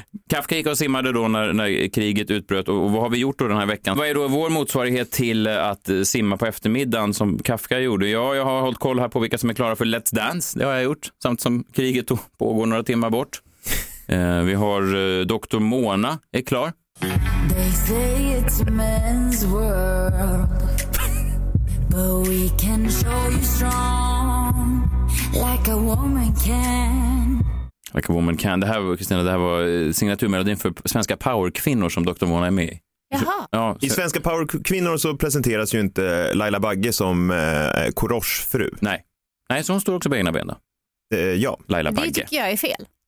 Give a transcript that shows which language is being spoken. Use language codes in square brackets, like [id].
[sv] Kafka gick och simmade då när kriget utbröt, och vad har vi gjort då den här veckan? Vad är då vår motsvarighet till att simma på eftermiddagen som Kafka gjorde? Ja, jag har hållit koll här på vilka som är klara för Let's Dance, det har jag gjort, samt som kriget pågår några timmar bort. Vi har Dr. Mona är klar. [en] They say it's men's world, but we can show you strong like a woman can. Like a woman can. [sv] Det här var Kristina, det här var signaturmelodin för svenska powerkvinnor som Dr. Mona är med. Jaha. Ja, i svenska powerkvinnor så presenteras ju inte Laila Bagge som Korosh fru. Nej. Nej, så hon står också på egna ben. Ja, Laila Bagge. Det tycker jag är fel.